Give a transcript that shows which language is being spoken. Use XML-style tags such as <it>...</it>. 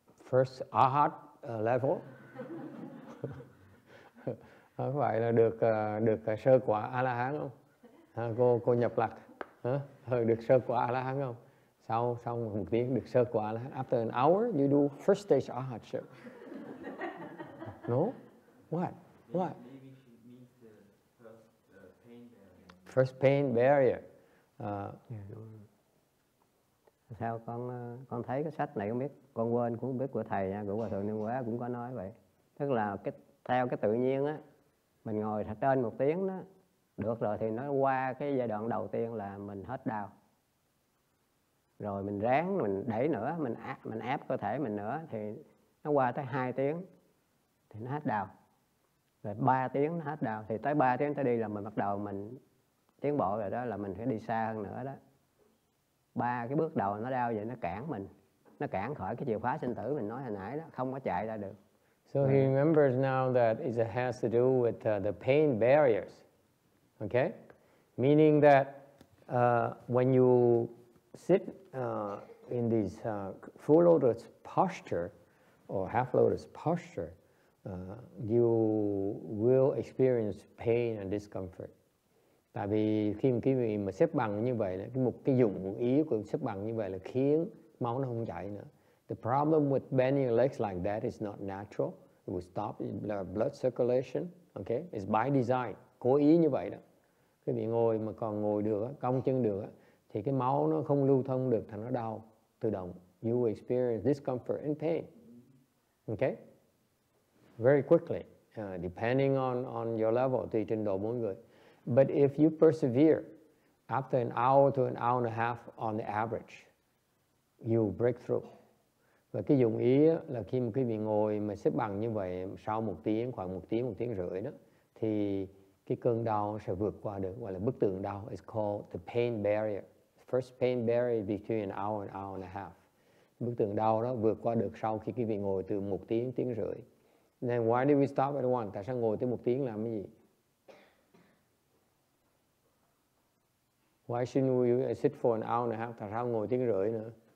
<en>First arhat level.</en> <vi>Không phải là được sơ quả a la hán không? Cô nhập lạc, được sơ quả a la hán không? Sau xong một tiếng được sơ quả a la hán.</vi> <en>After an hour you do first stage arhatship. No? What? What? Maybe she means the first pain barrier.</en> <vi>Sao con thấy cái sách này không biết, con quên cũng không biết của thầy nha, của Hòa Thượng Niên Quế cũng có nói vậy. Tức là cái theo cái tự nhiên á, mình ngồi trên một tiếng đó, được rồi thì nó qua cái giai đoạn đầu tiên là mình hết đau. Rồi mình ráng, mình đẩy nữa, mình áp cơ thể mình nữa thì nó qua tới 2 tiếng thì nó hết đau. Rồi 3 tiếng nó hết đau, thì tới 3 tiếng tới đi là mình bắt đầu mình tiến bộ rồi đó, là mình phải đi xa hơn nữa đó. Ba cái bước đầu nó đau vậy, nó cản mình, nó cản khỏi cái chìa khóa sinh tử mình nói hồi nãy đó, không có chạy ra được.</vi> <en>So he remembers now that it has to do with the pain barriers, okay? Meaning that when you sit in this full lotus posture or half lotus posture, you will experience pain and discomfort.</en> <vi>Tại vì khi mà quý vị mà xếp bằng như vậy, một cái dụng ý của xếp bằng như vậy là khiến máu nó không chảy nữa.</vi> <en>The problem with bending your legs like that is not natural. It will stop blood circulation. Okay? It's by design.</en> <vi>Cố ý như vậy đó. Quý vị ngồi mà còn ngồi được, cong chân được, thì cái máu nó không lưu thông được, thì nó đau tự động.</vi> <en>You will experience discomfort and pain. Okay? Very quickly. Depending on your level,</en> <vi>tùy trình độ mỗi người.</vi> <en>But if you persevere, after an hour to an hour and a half on the average, you break through.</en> <vi>Và cái dụng ý là khi mà quý vị ngồi mà xếp bằng như vậy sau một tiếng, khoảng một tiếng rưỡi đó, thì cái cơn đau sẽ vượt qua được, gọi là bức tường đau.</vi> <en>It's called the pain barrier. First pain barrier between an hour and hour and a half.</en> <vi>Bức tường đau đó vượt qua được sau khi quý vị ngồi từ một tiếng rưỡi.</vi> <en>Then why do we stop at one?</en> <vi>Tại sao ngồi tới một tiếng làm cái gì?</vi> <en>Why shouldn't we sit for an hour and a half?</en> <vi>Tại sao ngồi tiếng rưỡi nữa?</vi>